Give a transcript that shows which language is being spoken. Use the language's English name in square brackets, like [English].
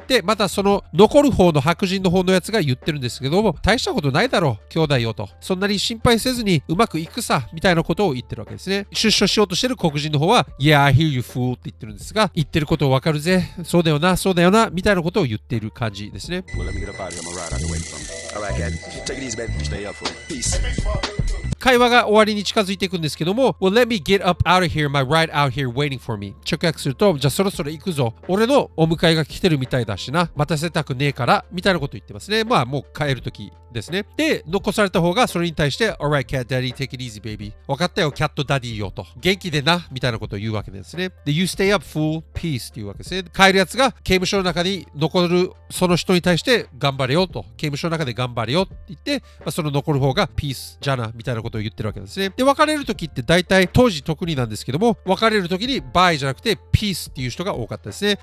[Japanese] で、またその残る方の白人の方のやつが言ってるんですけども、大したことないだろう。兄弟よと。そんなに心配せずにうまくいくさ。みたいなことを言ってるわけですね。出所しようとしてる黒人の方は、 [English] Yeah, I hear you, fool. [Japanese] って言ってるんですが、言ってることわかるぜ。そうだよな。そうだよな。みたいなことを言っている感じですね。 [English] Well, let me get up out of here. I'm a ride on the way from. All right, guys. Take it easy, man. Stay up for it. Peace. [Japanese] 会話が終わりに近づいていくんですけども [English] Well, let me get up out of here. My ride out here waiting for me. [Japanese] 直訳するとじゃあそろそろ行くぞ。俺のお迎えが来てるみたいだしな。待たせたくねえからみたいなこと言ってますね。まあもう帰る時ですね。で残された方がそれに対して [English] Alright, cat daddy, take it easy, baby. [Japanese] 分かったよ、キャットダディよと。元気でなみたいなことを言うわけですね。で [English] You stay up, fool, peace [Japanese] っていうわけですね。帰るやつが刑務所の中に残るその人に対して頑張れよと、刑務所の中で頑張れよって言って、まあ、その残る方がピースじゃなみたいなことを言ってるわけですね。で別れる時って大体当時特になんですけども、別れる時にバイじゃなくてピースっていう人が多かったですね。